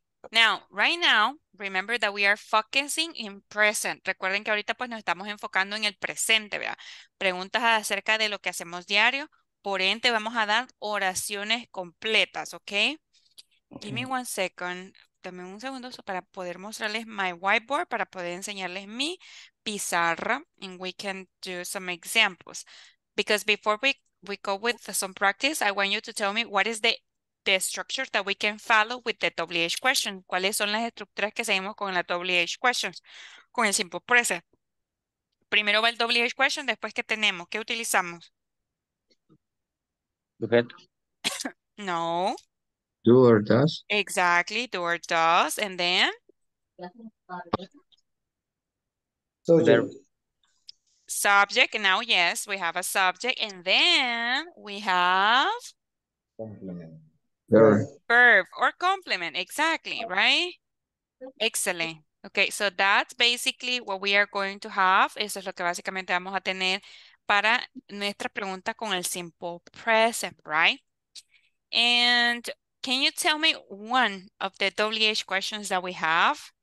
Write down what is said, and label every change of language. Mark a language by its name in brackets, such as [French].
[English] Now, right now, remember that we are focusing in present. [Spanish] Recuerden que ahorita pues nos estamos enfocando en el presente, ¿verdad? Preguntas acerca de lo que hacemos diario. Por ende, vamos a dar oraciones completas, ¿ok? [English] Give me one second. [Spanish] Dame un segundo para poder mostrarles [English] my whiteboard, [Spanish] para poder enseñarles mi pizarra, [English] and we can do some examples. Because before we go with some practice, I want you to tell me what is the structure that we can follow with the WH question. [Spanish] ¿Cuáles son las estructuras que seguimos con la WH questions? Con el simple present. Primero va el WH question, después ¿qué tenemos? ¿Qué utilizamos? No. [English] Do or does. Exactly, do or does, and then Soldier. subject. Now, yes, we have a subject, and then we have Complement. verb or complement. Exactly, right? Excellent. Okay, so that's basically what we are going to have. [Spanish] Eso es lo que básicamente vamos a tener para nuestra pregunta con el simple present, right? [English] And can you tell me one of the WH questions that we have?